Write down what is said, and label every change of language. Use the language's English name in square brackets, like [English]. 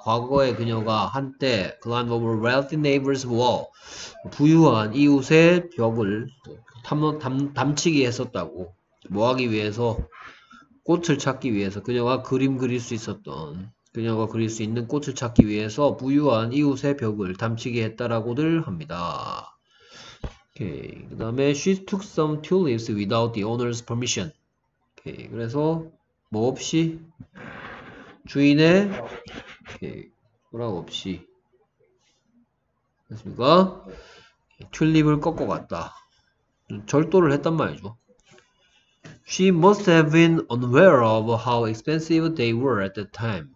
[Korean] 과거에 그녀가 한때 [English] climbed over wealthy neighbor's wall, [Korean] 부유한 이웃의 벽을 담치기 했었다고. 뭐 하기 위해서? 꽃을 찾기 위해서. 그녀가 그림 그릴 수 있었던, 그녀가 그릴 수 있는 꽃을 찾기 위해서 부유한 이웃의 벽을 담치기 했다라고들 합니다. 오케이. 그 다음에 [English] she took some tulips without the owner's permission. [Korean] 오케이. 그래서 뭐 없이? 주인의 허락 없이 됐습니까? 튤립을 꺾어 갔다. 절도를 했단 말이죠. [English] She must have been unaware of how expensive they were at the time.